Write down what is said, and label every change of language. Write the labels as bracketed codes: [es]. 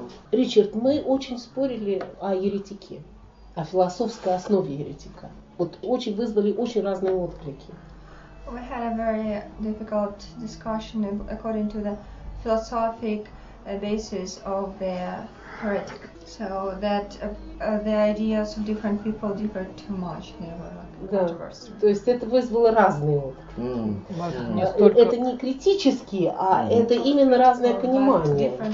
[ru] Ричард, мы очень спорили о еретике, о философской основе еретика. Вот очень вызвали очень разные отклики. [en] We had a very difficult discussion according to the philosophic a basis of their heretic. So that the ideas of different people differ too much. [ru] То есть это вызвало разные опыты. Это не критические, а это именно разное понимание.